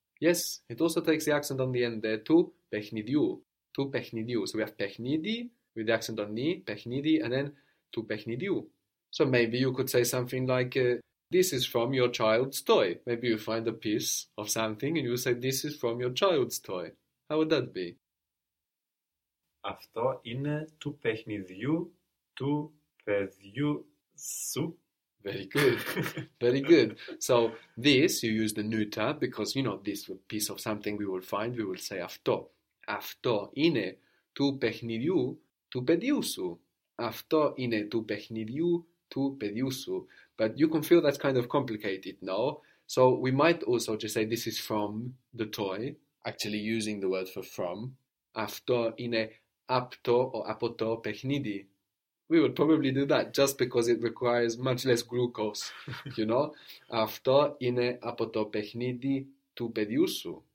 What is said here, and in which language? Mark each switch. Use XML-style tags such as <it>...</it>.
<en>Yes, it also takes the accent on the end there.</en> <el>Tu pechnidiu. Tu pechnidiu.</el> <en>So we have pechnidi with the accent on ni, pechnidi, and then</en> <el>tu pechnidiu.</el> <en>So maybe you could say something like, this is from your child's toy. Maybe you find a piece of something and you say, this is from your child's toy. How would that be?</en> <el>Αυτό είναι του παιχνιδιού του παιδιού σου.</el> <en>Very good. Very good. So this, you use the neuter because, you know, this piece of something we will find, we will say αυτό.</en> <el>Αυτό είναι του παιχνιδιού του παιδιού σου. Αυτό είναι του παιχνιδιού του παιδιού σου.</el> <en>But you can feel that's kind of complicated, no? So we might also just say this is from the toy, actually using the word for from.</en> <el>Αυτό είναι απτό or απωτό παιχνίδι.</el> <en>We would probably do that just because it requires much less glucose, you know?</en> <el>Αυτό είναι απωτό παιχνίδι του παιδιού σου.</el>